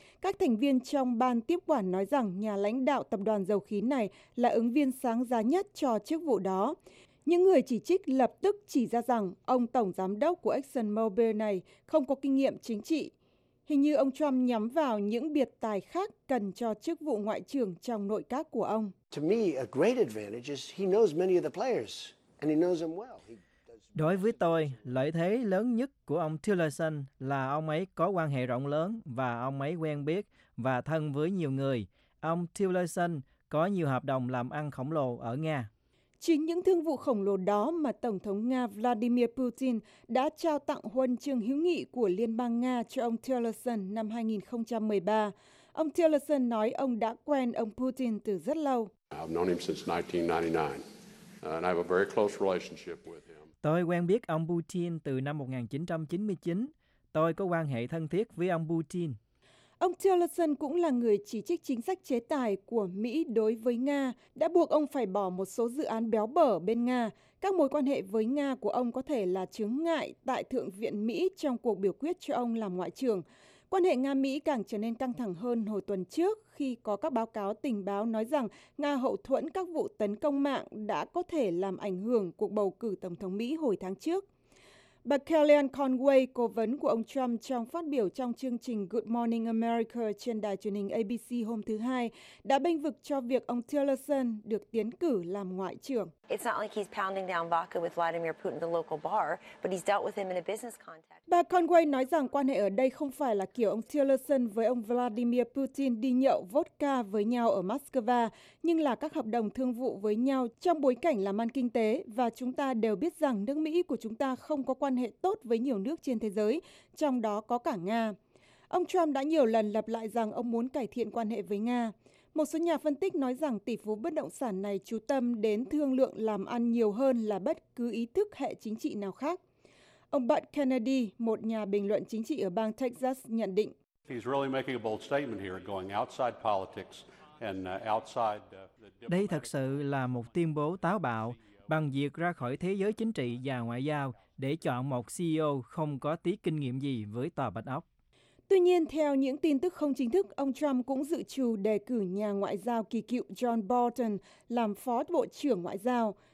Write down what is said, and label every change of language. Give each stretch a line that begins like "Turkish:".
Vietnamese: Các thành viên trong ban tiếp quản nói rằng nhà lãnh đạo tập đoàn dầu khí này là ứng viên sáng giá nhất cho chức vụ đó. Những người chỉ trích lập tức chỉ ra rằng ông Tổng Giám đốc của ExxonMobil này không có kinh nghiệm chính trị. Hình như ông Trump nhắm vào những biệt tài khác cần cho chức vụ ngoại trưởng trong nội các của ông.
English: To me, a great advantage is he knows many of the players and he knows them well.
Vietnamese: Đối với tôi, lợi thế lớn nhất của ông Tillerson là ông ấy có quan hệ rộng lớn và ông ấy quen biết và thân với nhiều người. Ông Tillerson có nhiều hợp đồng làm ăn khổng lồ ở Nga. Chính những thương vụ khổng lồ đó mà Tổng thống Nga Vladimir Putin đã trao tặng huân chương hữu nghị của Liên bang Nga cho ông Tillerson năm 2013. Ông Tillerson nói ông đã quen ông Putin từ rất lâu.
English: I've known him since 1999, and I have a very close relationship with him.
Vietnamese: Tôi quen biết ông Putin từ năm 1999. Tôi có quan hệ thân thiết với ông Putin. Ông Tillerson cũng là người chỉ trích chính sách chế tài của Mỹ đối với Nga, đã buộc ông phải bỏ một số dự án béo bở bên Nga. Các mối quan hệ với Nga của ông có thể là chướng ngại tại Thượng viện Mỹ trong cuộc biểu quyết cho ông làm ngoại trưởng. Quan hệ Nga-Mỹ càng trở nên căng thẳng hơn hồi tuần trước khi có các báo cáo tình báo nói rằng Nga hậu thuẫn các vụ tấn công mạng đã có thể làm ảnh hưởng cuộc bầu cử Tổng thống Mỹ hồi tháng trước. Bà Kellyanne Conway, cố vấn của ông Trump trong phát biểu trong chương trình Good Morning America trên đài truyền hình ABC hôm thứ Hai, đã bênh vực cho việc ông Tillerson được tiến cử làm ngoại trưởng.
English: It's not like he's pounding down vodka with Vladimir Putin at the local bar, but he's dealt with him in a business context.
Vietnamese: Bà Conway nói rằng quan hệ ở đây không phải là kiểu ông Tillerson với ông Vladimir Putin đi nhậu vodka với nhau ở Moscow, nhưng là các hợp đồng thương vụ với nhau trong bối cảnh làm ăn kinh tế, và chúng ta đều biết rằng nước Mỹ của chúng ta không có quan hệ tốt với nhiều nước trên thế giới, trong đó có cả Nga. Ông Trump đã nhiều lần lặp lại rằng ông muốn cải thiện quan hệ với Nga. Một số nhà phân tích nói rằng tỷ phú bất động sản này chú tâm đến thương lượng làm ăn nhiều hơn là bất cứ ý thức hệ chính trị nào khác. Ông Bud Kennedy, một nhà bình luận chính trị ở bang Texas, nhận định.
English: He's really making a bold statement here, going outside politics and outside the diplomatic...
Vietnamese: Đây thật sự là một tuyên bố táo bạo bằng việc ra khỏi thế giới chính trị và ngoại giao để chọn một CEO không có tí kinh nghiệm gì với Tòa Bạch Ốc. Tuy nhiên, theo những tin tức không chính thức, ông Trump cũng dự trù đề cử nhà ngoại giao kỳ cựu John Bolton làm phó bộ trưởng ngoại giao.